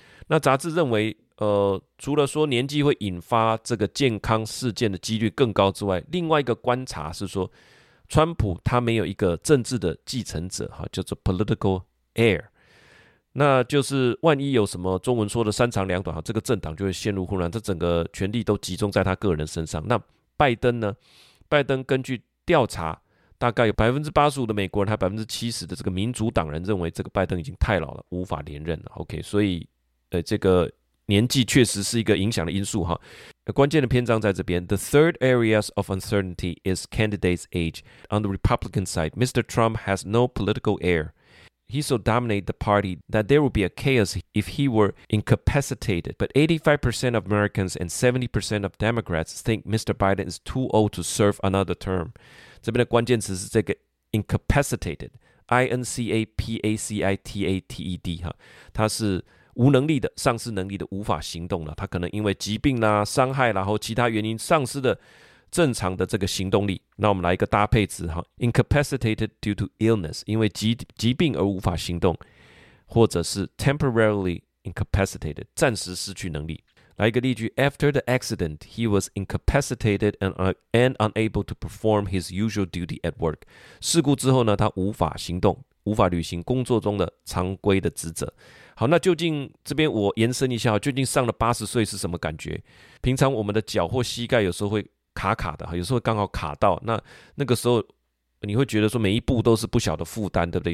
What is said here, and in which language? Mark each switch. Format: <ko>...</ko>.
<zh>那杂志认为除了说年纪会引发这个健康事件的几率更高之外，另外一个观察是说川普他没有一个政治的继承者，叫做 political air， 那就是万一有什么中文说的三长两短，这个政党就会陷入混乱，这整个权力都集中在他个人身上。那拜登呢，拜登根据调查大概有 85% 的美国人还有 70% 的这个民主党人认为这个拜登已经太老了无法连任了。 OK， 所以这个年纪确实是一个影响的因素。关键的篇章在这边。</zh> <en>The third areas of uncertainty is candidate's age. On the Republican side, Mr. Trump has no political air. He so dominated the party that there would be a chaos if he were incapacitated. But 85% of Americans and 70% of Democrats think Mr. Biden is too old to serve another term.</en> <zh>这边的关键词是这个 incapacitated, I-N-C-A-P-A-C-I-T-A-T-E-D, 它是无能力的，丧失能力的，无法行动了。他可能因为疾病啦、伤害然后其他原因丧失的正常的这个行动力。那我们来一个搭配词，</zh> <en>incapacitated due to illness，</en> <zh>因为 疾病而无法行动，或者是</zh> <en>temporarily incapacitated，</en> <zh>暂时失去能力。来一个例句</zh> <en>After the accident, he was incapacitated and unable to perform his usual duty at work.</en> <zh>事故之后呢，他无法行动，无法履行工作中的常规的职责。好，那究竟这边我延伸一下，究竟上了80岁是什么感觉？平常我们的脚或膝盖有时候会卡卡的，有时候会刚好卡到，那个时候你会觉得说每一步都是不小的负担，对不对？</zh>